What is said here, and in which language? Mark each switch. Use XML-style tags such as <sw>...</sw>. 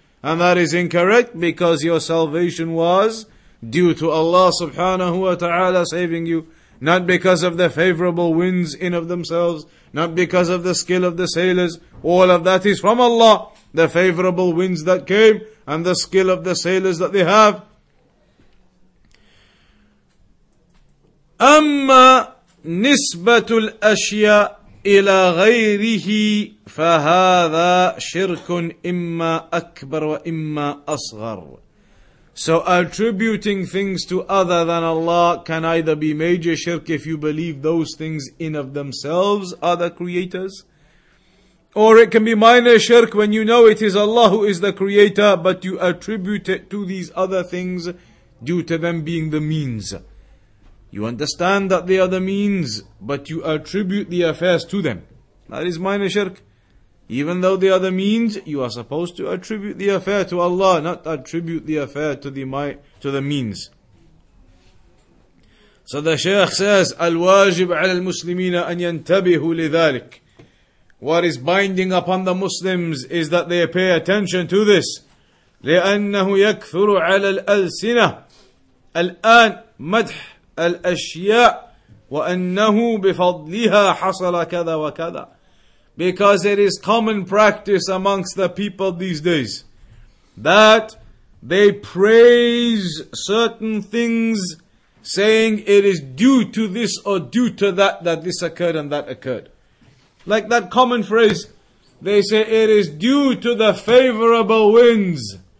<en>And that is incorrect, because your salvation was due to Allah subhanahu wa ta'ala saving you, not because of the favorable winds in of themselves, not because of the skill of the sailors. All of that is from Allah, the favorable winds that came and the skill of the sailors that they have.</en> <ar>Amma nisbatu al-ashya إلى غيره فهذا شرك إما أكبر وإما أصغر.</ar> <en>So attributing things to other than Allah can either be major shirk if you believe those things in of themselves are the creators, or it can be minor shirk when you know it is Allah who is the creator, but you attribute it to these other things due to them being the means. You understand that they are the means, but you attribute the affairs to them. That is minor shirk. Even though they are the means, you are supposed to attribute the affair to Allah, not attribute the affair to the means. So the Shaykh says,</en> <ar>الواجب على المسلمين أن ينتبهوا لذلك.</ar> <en>What is binding upon the Muslims is that they pay attention to this.</en> <ar>لأنه يكثر على الألسنة الآن مدح الأشياء وأنه بفضلها حصل كذا وكذا.</ar> <en>Because it is common practice amongst the people these days that they praise certain things, saying it is due to this or due to that, that this occurred and that occurred. Like that common phrase, they say it is due to the favorable winds.</en>